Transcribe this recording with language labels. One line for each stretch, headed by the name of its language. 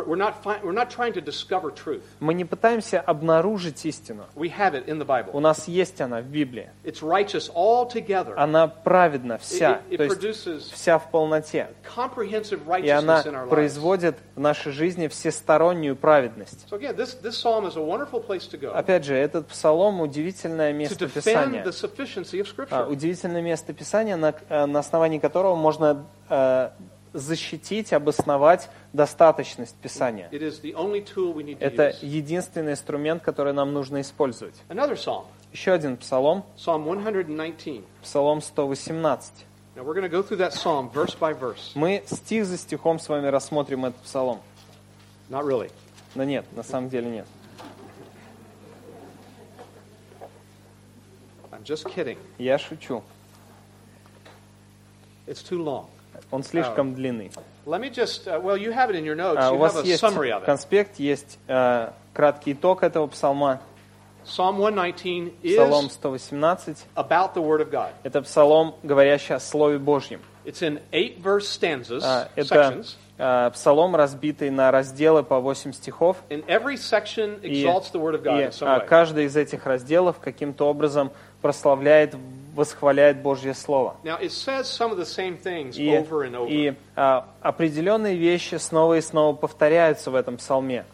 English: We're not trying to discover truth.
Russian: Мы не пытаемся обнаружить истину.
English: We have it in the Bible.
Russian: У нас есть она в Библии.
English: It's righteous altogether.
Russian: Она праведна вся, то есть
English: produces
Russian: вся в полноте.
English: Comprehensive righteousness
Russian: и она производит в нашей жизни всестороннюю праведность.
English: So again, this psalm is a wonderful place to go.
Russian: Опять же, этот псалом – удивительное место Писания.
English: To defend the sufficiency of scripture.
Russian: Удивительное место Писания, на основании которого можно защитить, обосновать достаточность Писания.
English: It is the only tool we need to
Russian: это
English: use.
Russian: Единственный инструмент, который нам нужно использовать.
English: Another psalm.
Russian: Еще один псалом.
English: Psalm 119.
Russian: Псалом 118.
English: Now we're going to go through that psalm verse by verse.
Russian: Мы стих за стихом с вами рассмотрим этот псалом.
English: Not really.
Russian: Но нет, на самом деле нет.
English: I'm just kidding.
Russian: Я шучу.
English: It's too long.
Russian: Он слишком длинный.
English: Let me just well, you have it in your notes. You
Russian: у вас
English: have a summary of it.
Russian: Конспект есть краткий итог этого псалма.
English: Psalm 119 is about the word of God.
Russian: Это псалом, говорящий о слове Божьем.
English: It's in 8 verse stanzas,
Russian: это
English: sections.
Russian: Псалом, разбитый на разделы по 8 стихов.
English: And every section exalts the word of God in some way.
Russian: Каждый из этих разделов каким-то образом прославляет восхваляет Божье Слово.
English: Now, it says some of the same things over and over.
Russian: И определенные вещи снова и снова повторяются в этом псалме.